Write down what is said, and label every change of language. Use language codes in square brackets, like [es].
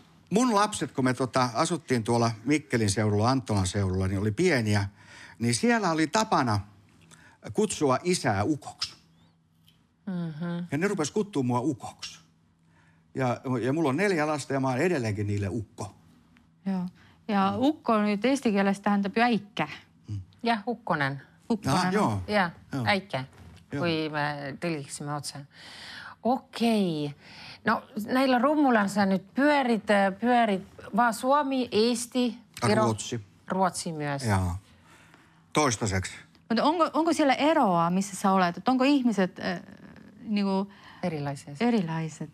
[fi] Mun lapset, kun me asuttiin tuolla Mikkelin seudulla, Anttolan seudulla, niin oli pieniä, niin siellä oli tapana kutsua isää ukoksi. Mm-hmm. Ja ne rupes kuttua mua ukoksi. Ja mulla on 4 lasta ja mä oon edelleenkin niille ukko. Joo. Ja ukko on nyt eesti kielessä [et] tähendab äikä. [fi] Ja ukkonen. Ukkonen. Joo. [et] Ja äikä, kui me tõlgiksime otse. [fi] Okei. No näillä rummulan sä nyt pyörit vaan Suomi, Eesti, Ruotsi. Ruotsi myös. Joo. Toistaiseksi. Mutta onko siellä eroa, missä sä olet? Onko ihmiset niinku... Erilaiset,